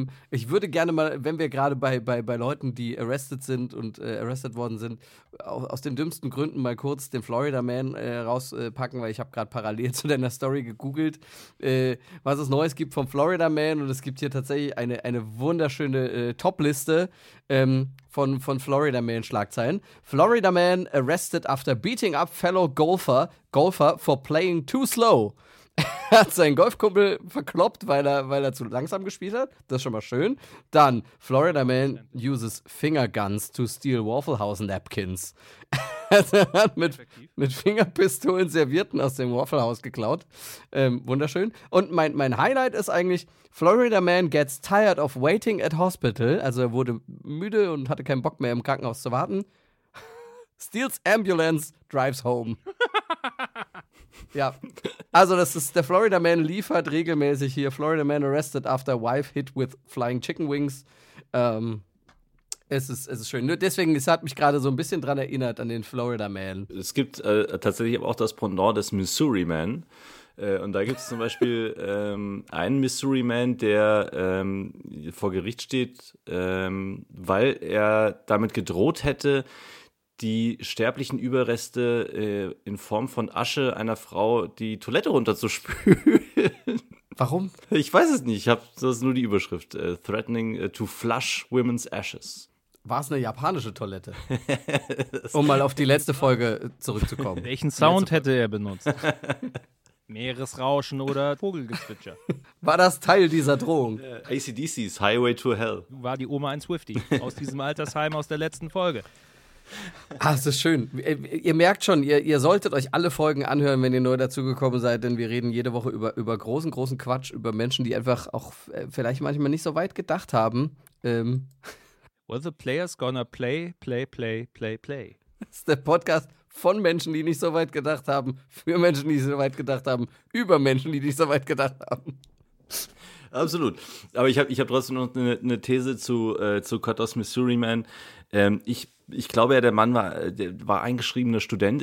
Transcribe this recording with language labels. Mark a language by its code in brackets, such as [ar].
[de] Ich würde gerne mal, wenn wir gerade bei Leuten, die arrested sind und arrested worden sind, aus den dümmsten Gründen mal kurz den Florida Man rauspacken, weil ich habe gerade parallel zu deiner Story gegoogelt, was es Neues gibt vom Florida Man. Und es gibt hier tatsächlich eine wunderschöne Top-Liste von Florida Man Schlagzeilen. [en] Florida Man arrested after beating up fellow golfer for playing too slow. [de] Er hat seinen Golfkumpel verkloppt, weil er zu langsam gespielt hat. Das ist schon mal schön. [en] Dann, Florida Man uses finger guns to steal Waffle House Napkins. [de] Er hat mit Fingerpistolen Servietten aus dem Waffle House geklaut. Wunderschön. Und mein Highlight ist eigentlich, [en] Florida Man gets tired of waiting at hospital. [de] Also er wurde müde und hatte keinen Bock mehr, im Krankenhaus zu warten. [en] Steals ambulance, drives home. [de] Ja, also das ist der Florida Man liefert regelmäßig hier. [en] Florida Man arrested after wife hit with flying chicken wings. [de] Es ist schön. Nur deswegen, es hat mich gerade so ein bisschen dran erinnert an den Florida Man. Es gibt tatsächlich aber auch das Pendant des Missouri Man. Und da gibt es zum Beispiel einen Missouri Man, der vor Gericht steht, weil er damit gedroht hätte, die sterblichen Überreste in Form von Asche einer Frau die Toilette runterzuspülen. Warum? Ich weiß es nicht. Das ist nur die Überschrift. [en] Threatening to flush women's ashes. [de] War es eine japanische Toilette? Um mal auf die letzte Folge zurückzukommen. Welchen Sound hätte er benutzt? Meeresrauschen oder Vogelgezwitscher? War das Teil dieser Drohung? [en] ACDC's Highway to Hell. [de] War die Oma ein Swiftie aus diesem Altersheim aus der letzten Folge? Ah, es ist schön. Ihr merkt schon, ihr solltet euch alle Folgen anhören, wenn ihr neu dazugekommen seid, denn wir reden jede Woche über großen, großen Quatsch, über Menschen, die einfach auch vielleicht manchmal nicht so weit gedacht haben. [en] Well, the player's gonna play, play, play, play, play. [de] Das ist der Podcast von Menschen, die nicht so weit gedacht haben, für Menschen, die so weit gedacht haben, über Menschen, die nicht so weit gedacht haben. Absolut. Aber ich hab trotzdem noch eine These zu Cutoffs Missouri Man. Ich glaube ja, der Mann war eingeschriebener Student.